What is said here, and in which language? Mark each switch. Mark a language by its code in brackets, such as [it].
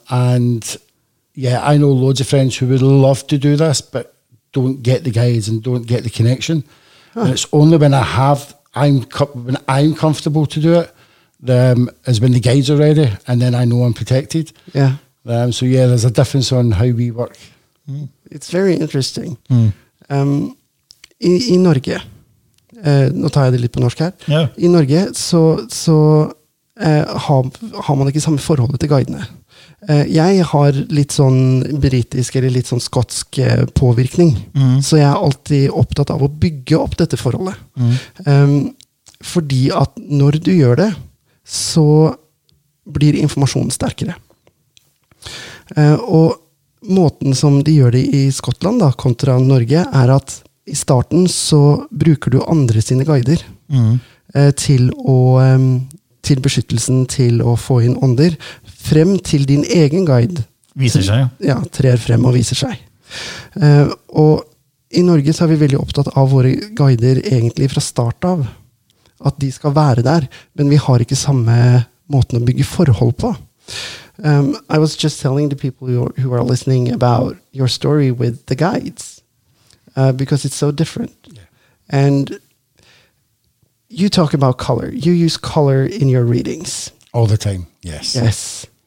[en] And yeah, I know loads of friends who would love to do this, but don't get the guides and don't get the connection. Huh. And it's only when I'm comfortable to do it is when the guides are ready and then I know I'm protected. Yeah. So yeah, there's a difference on how we work. Mm. It's very interesting. Mm. [no] I Norge, nå tar jeg det litt på norsk her. [en] Yeah. [no] I Norge så har man ikke samme forhold til guidene. Jeg har litt sånn britisk eller litt sånn skotsk påvirkning, så jeg alltid opptatt av å bygge opp dette forholdet. Fordi at når du gjør det, så blir informasjonen sterkere. Og måten som de gjør det i Skottland da, kontra Norge, er at i starten så bruker du andre sine guider til beskyttelsen, til å få inn ånder, frem til din egen guide. Viser seg, ja. Ja, trer frem og viser seg. Og i Norge så er vi veldig opptatt av våre guider egentlig fra start av, at de skal være der, men vi har ikke samme måten å bygge forhold på. [en] I was just telling the people who are listening about your story with the guides, because it's so different. Yeah. And you talk about color. You use color in your readings. All the time, yes. Yes.